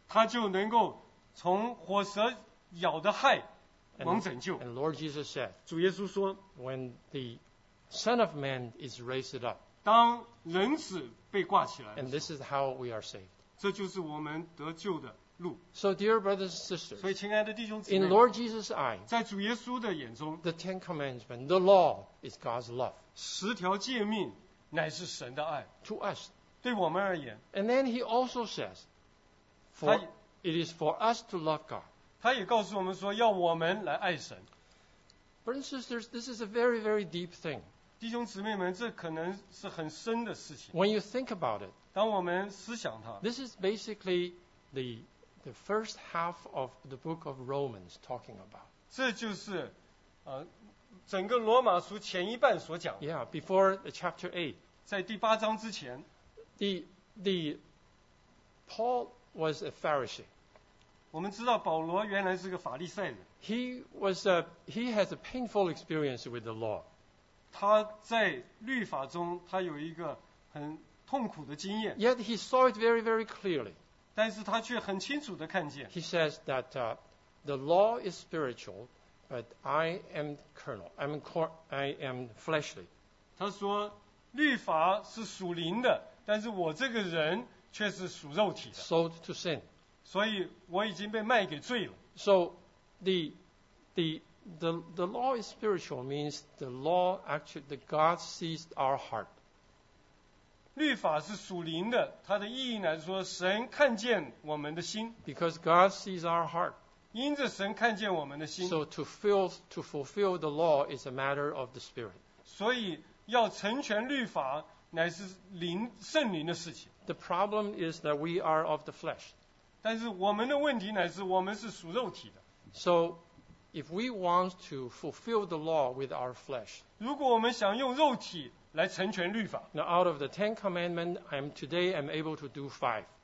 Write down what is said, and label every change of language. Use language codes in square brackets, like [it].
[zh] 他就能够从火蛇咬的害蒙拯救。 [en] And Lord Jesus said, [zh] 主耶稣说， [en] when the Son of Man is raised up, [zh] 当人子被挂起来， [en] and this is how we are saved, [zh] 这就是我们得救的路。 [en] So dear brothers and sisters, [zh] 所以亲爱的弟兄姊妹， [en] in Lord Jesus' eye, [zh] 在主耶稣的眼中， [en] the Ten Commandments, the law is God's love, [zh] 十条诫命乃是神的爱， [en] to us, [zh] 对我们而言。 [en] And then he also says, for it is for us to love God, [zh] 他也告诉我们说要我们来爱神。 [en] Brothers and sisters, this is a very, very deep thing. [zh] 弟兄姊妹们，这可能是很深的事情。 [en] When you think about it, [zh] 当我们思想它， [en] this is basically the first half of the book of Romans talking about. [zh] 这就是整个罗马书前一半所讲。 [en] Yeah, before the chapter 8. [zh] 在第八章之前。 [en] The Paul was a Pharisee. [zh] 我们知道保罗原来是个法利赛人。 [en] He has a painful experience with the law. [zh] 他在律法中他有一个很痛苦的经验。 [en] Yet he saw it very, very clearly. [zh] 但是他却很清楚地看见。 [en] He says that the law is spiritual, but I am carnal. I am fleshly. [zh] 他说律法是属灵的，但是我这个人却是属肉体的。 [en] Sold to sin. [zh] 所以我已经被卖给罪了。 [en] So the law is spiritual means the law actually, the God sees our heart. [zh] 律法是属灵的，它的意义来说，神看见我们的心。 [en] Because God sees our heart. [zh] 因着神看见我们的心。 [en] So to fulfill the law is a matter of the spirit. [zh] 所以要成全律法乃是灵圣灵的事情。 [en] The problem is that we are of the flesh. [zh] 但是我们的问题乃是我们是属肉体的。 [en] So if we want to fulfill the law with our flesh, [zh] 如果我们想用肉体来成全律法， [en] Now out of the Ten Commandments, I'm able to do five.